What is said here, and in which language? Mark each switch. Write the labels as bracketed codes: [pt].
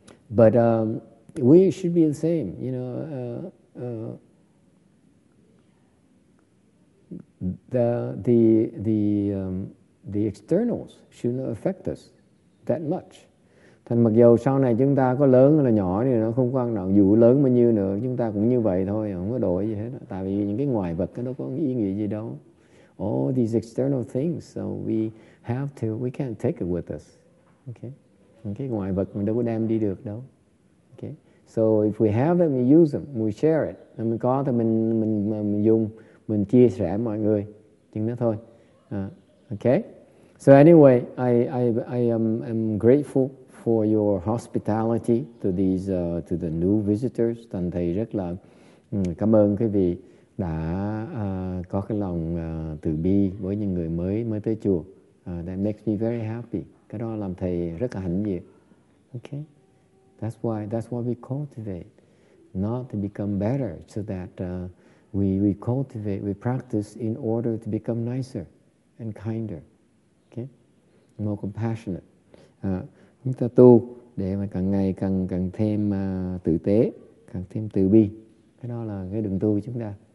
[en] But we should be the same. You know, the externals should not affect us that much. [vi] Thành mặc dù sau này chúng ta có lớn hay là nhỏ thì nó không quan trọng, dù lớn bao nhiêu nữa chúng ta cũng như vậy thôi, không có đổi gì hết. Tại vì những cái ngoại vật nó có ý nghĩa gì đâu. [en] All these external things, so we can't take it with us. Okay, [vi] cái ngoại vật mình đâu có đem đi được đâu. [en] Okay, so if we have them, we use them, we share it. [vi] Nếu mình có thì mình dùng, mình chia sẻ với mọi người, chừng đó thôi. [en] Okay, so anyway, I'm grateful for your hospitality to the new visitors. [vi] Thành thầy rất là cảm ơn quý vị đã có cái lòng từ bi với những người mới tới chùa. [en] That makes me very happy. [vi] Cái đó làm thầy rất là hãnh diện. [en] Okay, that's why we cultivate, not to become better, so that we cultivate, we practice in order to become nicer and kinder, okay, more compassionate. [vi] Chúng ta tu để mà càng ngày càng thêm tử tế, càng thêm từ bi. Cái đó là cái đường tu của chúng ta.